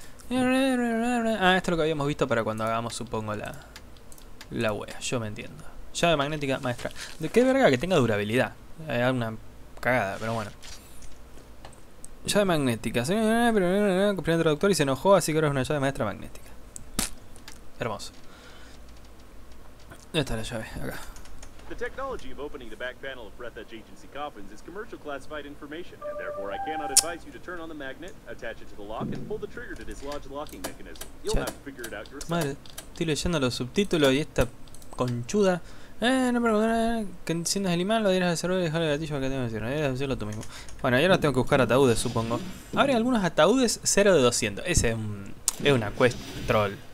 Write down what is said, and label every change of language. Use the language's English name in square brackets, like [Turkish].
[Spanish] Ah, esto es lo que habíamos visto para cuando hagamos, supongo, la wea, yo me entiendo. Llave magnética maestra. De qué verga que tenga durabilidad. Es una cagada, pero bueno. Llave magnética. Pero cumplió el traductor y se enojó, así que ahora es una llave maestra magnética. Hermoso. ¿Dónde está la llave? Acá. [English] The technology of opening the back panel of Breath Edge Agency coffins is commercial classified information, and therefore I cannot advise you to turn on the magnet, attach it to the lock, and pull the trigger to dislodge the locking mechanism. You'll have to figure it out yourself. [Spanish] Madre, estoy leyendo los subtítulos y esta conchuda. No me preguntes, que enciendas el imán, lo dirás al cerebro y dejar el gatillo que tengo que decir. Debes hacerlo tú mismo. Bueno, y ahora tengo que buscar ataúdes, supongo. Abre algunos ataúdes 0 de 200. Ese es una quest troll.